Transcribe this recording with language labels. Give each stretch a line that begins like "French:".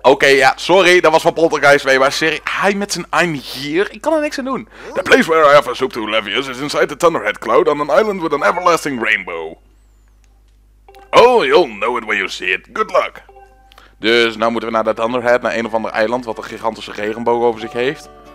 Dutch: Oké, ja, sorry, dat was van Poltergeist 2, maar serie, hij met zijn
English: I'm here,
Dutch: ik kan er niks aan doen.
English: The place where I offer soup to Levius is inside the Thunderhead Cloud on an island with an everlasting rainbow. Oh, you'll know it when you see it. Good luck.
Dutch: Dus nou moeten we naar de Thunderhead, naar een of ander eiland wat een gigantische regenboog over zich heeft.